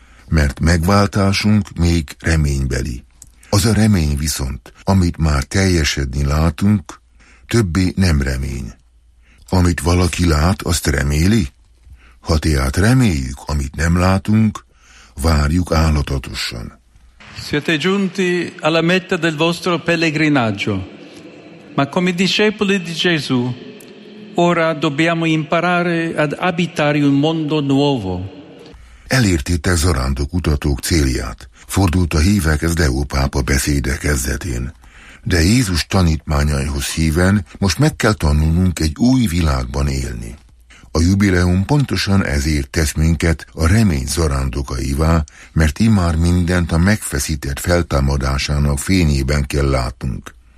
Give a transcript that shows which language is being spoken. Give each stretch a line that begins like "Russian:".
Hungarian: Mert megváltásunk még reménybeli. Az a remény viszont, amit már teljesedni látunk, többé nem remény. Amit valaki lát, azt reméli? Ha tehát reméljük, amit nem látunk, várjuk állatatosan.
Italian: Siete giunti alla meta del vostro pellegrinaggio, ma come discepoli di Gesù, ora dobbiamo imparare ad abitare un mondo nuovo.
Hungarian: Elértétek zarándok utatók célját, fordult a hívekhez Leó pápa beszéde kezdetén. De Jézus tanítmányaihoz híven most meg kell tanulnunk egy új világban élni. A jubileum pontosan ezért tesz minket a remény zarándokaivá, mert immár mindent a megfeszített feltámadásának fényében kell látnunk.